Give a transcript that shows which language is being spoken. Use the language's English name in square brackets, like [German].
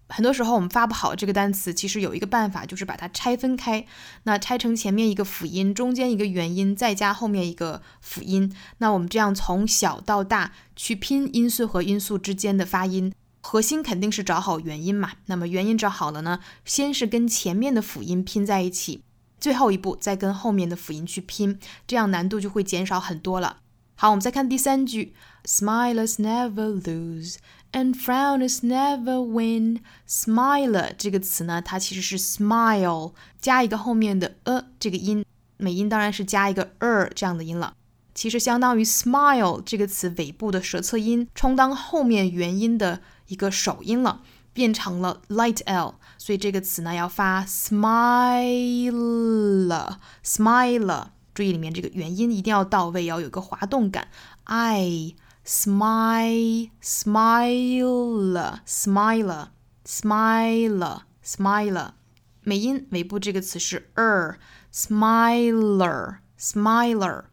[Chinese] 很多时候我们发不好这个单词，其实有一个办法就是把它拆分开，那拆成前面一个辅音，中间一个元音，再加后面一个辅音，那我们这样从小到大去拼音素和音素之间的发音，核心肯定是找好元音嘛，那么元音找好了呢，先是跟前面的辅音拼在一起，最后一步再跟后面的辅音去拼，这样难度就会减少很多了。 [English] 好，我们再看第三句 Smilers never loseAnd frowners never win. [Chinese] Smiler 这个词呢，它其实是 smile 加一个后面的这个音，美音当然是加一个这样的音了，其实相当于 smile 这个词尾部的舌侧音充当后面元音的一个首音了，变成了 light L， 所以这个词呢要发 smiler， 注意里面这个元音一定要到位，要有一个滑动感 smiler 美音尾部这个词是 smiler